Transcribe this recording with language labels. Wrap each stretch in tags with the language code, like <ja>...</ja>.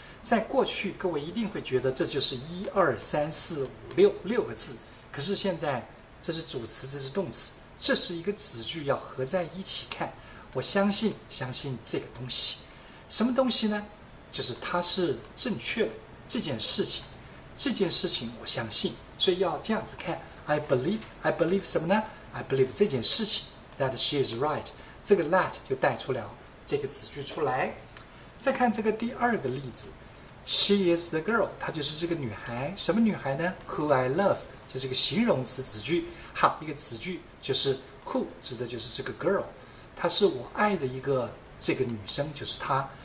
<zh>在过去，各位一定会觉得这就是一二三四五六六个字，可是现在这是主词，这是动词，这是一个子句，要合在一起看。我相信，相信这个东西，什么东西呢？就是它是正确的这件事情，这件事情我相信，所以要这样子看。</zh> <en>I believe</en> <zh>什么呢</zh> <en>？I believe</en> <zh>这件事情</zh> <en>that she is right。</en> <zh>这个 that 就带出了这个子句出来。再看这个第二个例子 ，</zh> <en>She is the girl，</en> <zh>她就是这个女孩，什么女孩呢 ？</zh> <en>Who I love，</en> <zh>这是个形容词子句。好，一个子句就是 who 指的就是这个 girl， 她是我爱的一个这个女生，就是她。</zh>